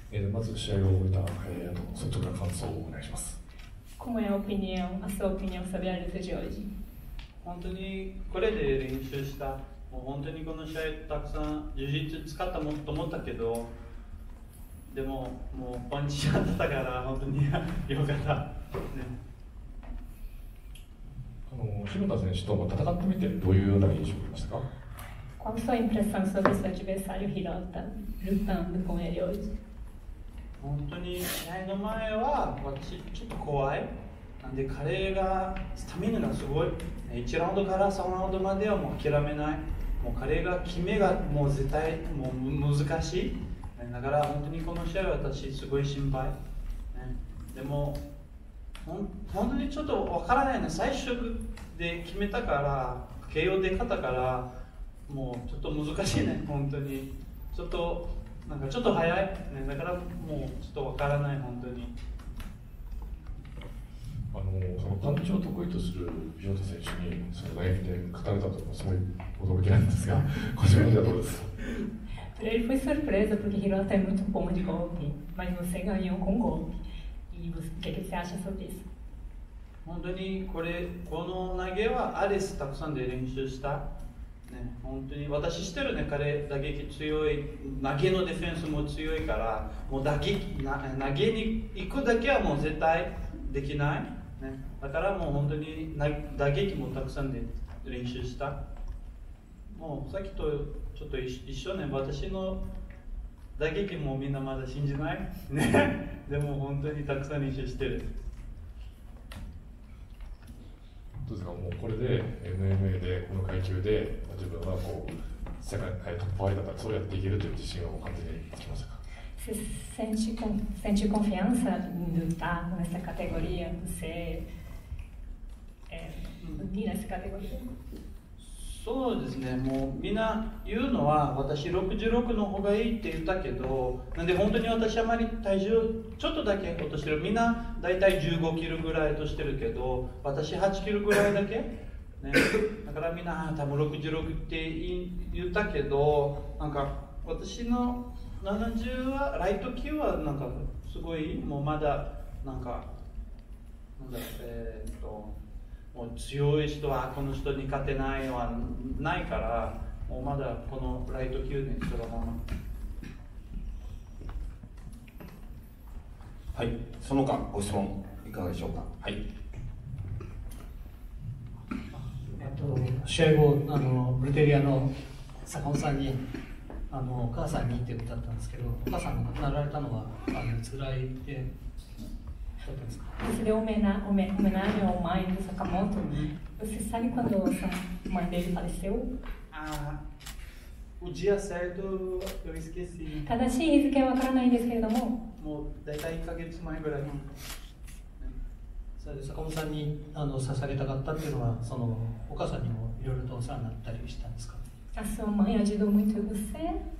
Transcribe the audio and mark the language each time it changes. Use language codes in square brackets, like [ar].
[ja] まず試合を終えた、率直な感想をお願いします。 [pt] Como é a opinião, a sua opinião sobre a luta de hoje? [ja] 本当にこれで練習した。もう本当にこの試合たくさん充実使ったもと思ったけど、でももうパンチだったから本当に良かった。ね、広田選手とも戦ってみてどういうような印象でしたか？ [pt] Qual sua impressão sobre seu adversário Hirota lutando com ele hoje? [ja] 本当に試合の前は私ちょっと怖い。なんで彼がスタミナがすごい。1ラウンドから3ラウンドまではもう諦めない。もう彼が決めがもう絶対もう難しい。だから本当にこの試合は私すごい心配。でも本当にちょっとわからないの。最初で決めたから、KO で勝ったから、もうちょっと難しいね、本当に。ちょっと、なんかちょっと早い、ね。だからもうちょっとわからない、本当に。そのパンチを得意とするビヨンテ選手に、そのナイフで勝たれたというのはすごい驚きなんですが、こちらはどうですか？ [pt] Ele foi surpresa, porque Hirota é muito bom de golpe, mas você ganhou com golpe. O que você acha sobre isso? [ja] 本当にこれ、この投げはアレスたくさんで練習した。ね、本当に私知ってるね、彼、打撃強い、投げのディフェンスも強いから、もう打撃投げに行くだけはもう絶対できない。ね、だからもう本当に打撃もたくさんで練習した。もうさっきとちょっと一緒ね、私の打撃もみんなまだ信じない。ね。でも本当にたくさん練習してる。どうですか、もうこれで MMA でこの階級で自分はこう世界トップファイターだからそうやっていけるという自信を感じてきましたか。 [pt] Você sente sente confiança em lutar nessa categoria? Você mira essa categoria? [ja] そうですね、もうみんな言うのは私66の方がいいって言ったけど、なんで本当に私あまり体重ちょっとだけ落としてる、みんなだいたい15キロぐらい落としてるけど、私8キロぐらいだけ、ね、だからみんな多分66って言ったけど、なんか私の70はライト級はなんかすごい、もうまだなんか、なんだ、もう強い人はこの人に勝てないのはないから、もうまだこのライト級にそのまま。はい、その他ご質問いかがでしょうか。はい、試合後ブルテリアの坂本さんにお母さんにって歌ったんですけど、お母さんが亡くなられたのは辛いって [pt] Recebeu homenagem ao mãe do Sakamoto. Você sabe quando a mãe dele faleceu? Ah, o dia certo eu esqueci. Cada dia que eu não sei, mas... Deve estar um mês mais ou menos. [ja] Sabe, Sakamoto-san に捧げたかったっていうのは、そのお母さんにもいろいろとお世話になったりしたんですか？ [pt] A sua mãe ajudou muito você?